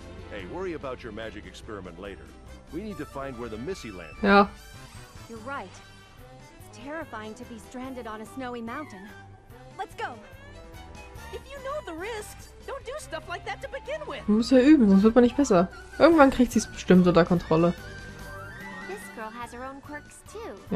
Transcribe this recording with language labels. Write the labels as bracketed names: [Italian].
[English] Hey, worry about your magic experiment later. We need to find where the Missy landed. [German] Ja. [English] You're right. It's terrifying to be stranded on a snowy mountain. Let's go. If you know the risks, don't do stuff like that to begin with. [German] Man muss ja üben, sonst wird man nicht besser. Irgendwann kriegt sie es bestimmt unter Kontrolle. [English] This girl has her own quirks too.